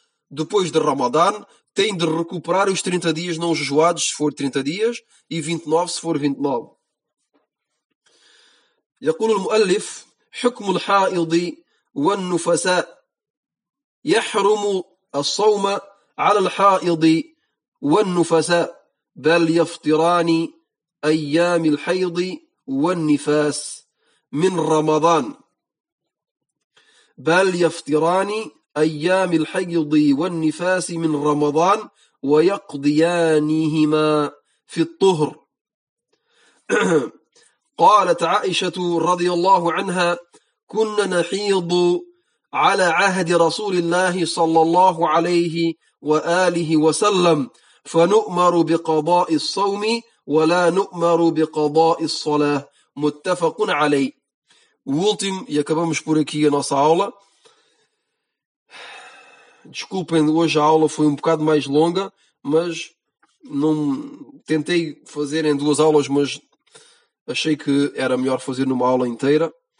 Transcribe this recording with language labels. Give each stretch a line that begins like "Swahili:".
Portuguese: depois de Ramadan, tem de recuperar os 30 dias não jejuados, se for 30 dias, e 29 se for 29.
Arabic: يقول المؤلف حكم الحائض والنفساء يحرم الصوم على الحائض والنفساء بل يفطران أيام الحيض والنفاس من رمضان بل يفطران أيام الحيض والنفاس من رمضان ويقضيانهما في الطهر. قالت عائشة رضي الله عنها كنا نحيض على عهد رسول الله صلى الله عليه وآله وسلم فنؤمر بقضاء الصوم ولا نؤمر بقضاء الصلاة متفق عليه.
Portuguese: Último, e acabamos por aqui a nossa aula. Desculpem, hoje a aula foi um bocado mais longa, mas não tentei fazer em duas aulas, mas achei que era melhor fazer numa aula inteira.